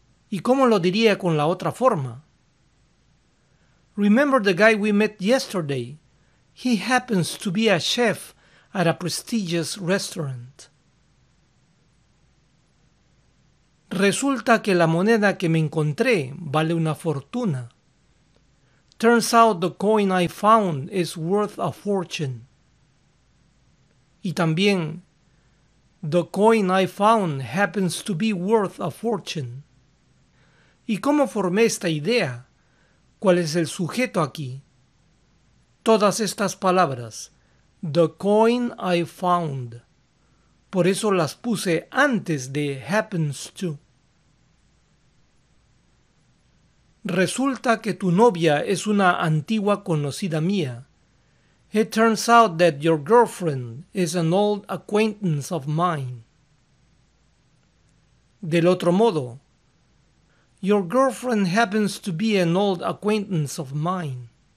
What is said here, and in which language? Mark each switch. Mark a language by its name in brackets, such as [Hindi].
[Spanish] ¿Y cómo lo diría con la otra forma? [English] Remember the guy we met yesterday? He happens to be a chef at a prestigious restaurant. [Spanish] Resulta que la moneda que me encontré vale una fortuna. [English] Turns out the coin I found is worth a fortune. [Spanish] Y también, [English] the coin I found happens to be worth a fortune. [Spanish] ¿Y cómo formé esta idea? ¿Cuál es el sujeto aquí? Todas estas palabras, [English] the coin I found, [Spanish] por eso las puse antes de [English] happens to. [Spanish] Resulta que tu novia es una antigua conocida mía. [English] It turns out that your girlfriend is an old acquaintance of mine. [Spanish] Del otro modo, [English] your girlfriend happens to be an old acquaintance of mine.